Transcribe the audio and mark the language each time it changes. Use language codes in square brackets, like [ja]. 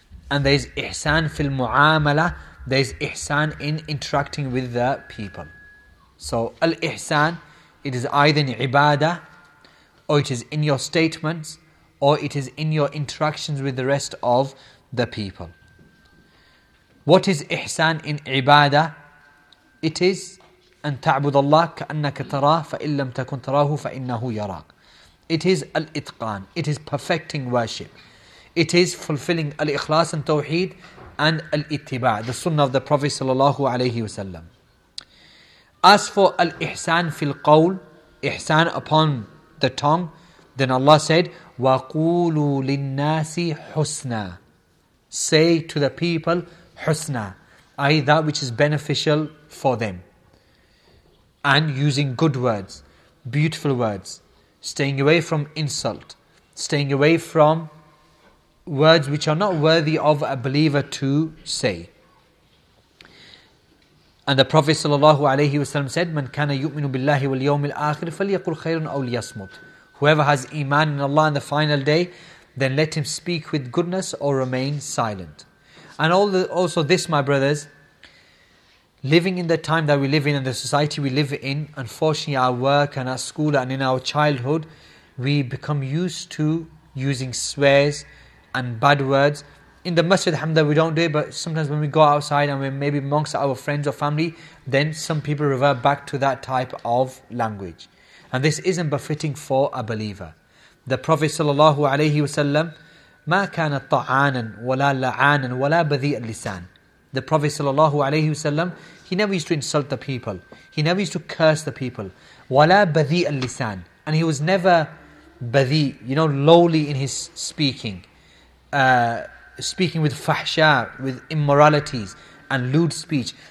[en] And there is ihsan fil mu'amala. There is ihsan in interacting with the people. So al-ihsan, it is either in ibadah, or it is in your statements, or it is in your interactions with the rest of the people. What is ihsan in ibadah? It is [ar] أن تعبد الله كأنك تراه فإن لم تكن تراه فإنه يراك. [en] It is al-itqan. It is perfecting worship. It is fulfilling al-ikhlas and tawheed and al-ittiba', the sunnah of the Prophet sallallahu alayhi wa sallam. As for al-ihsan fil qawl, ihsan upon the tongue, then Allah said, [ar] وَقُولُوا لِلنَّاسِ حُسْنَى. [en] Say to the people, حُسْنَى, i.e. that which is beneficial for them. And using good words, beautiful words, staying away from insult, staying away from words which are not worthy of a believer to say. And the Prophet sallallahu alayhi wasallam said, [ar] مَنْ كَانَ يُؤْمِنُ بِاللَّهِ وَالْيَوْمِ الْآخِرِ فَلْيَقُلْ خَيْرٌ أَوْ لِيَصْمُتْ. [en] Whoever has iman in Allah on the final day, then let him speak with goodness or remain silent. And also this, my brothers, living in the time that we live in and the society we live in, unfortunately our work and our school and in our childhood, we become used to using swears and bad words. In the masjid, alhamdulillah, we don't do it, but sometimes when we go outside and we're maybe amongst our friends or family, then some people revert back to that type of language. And this isn't befitting for a believer. The Prophet sallallahu alayhi wasallam, [ar] مَا كَانَ طَعَانًا وَلَا لَعَانًا وَلَا بَذِيءَ اللِّسَانِ. [en] The Prophet sallallahu alayhi wasallam, he never used to insult the people. He never used to curse the people. [ar] وَلَا بَذِيءَ اللِّسَانِ. [en] And he was never badi, you know, lowly in his speaking. Speaking with fahsha, with immoralities and lewd speech.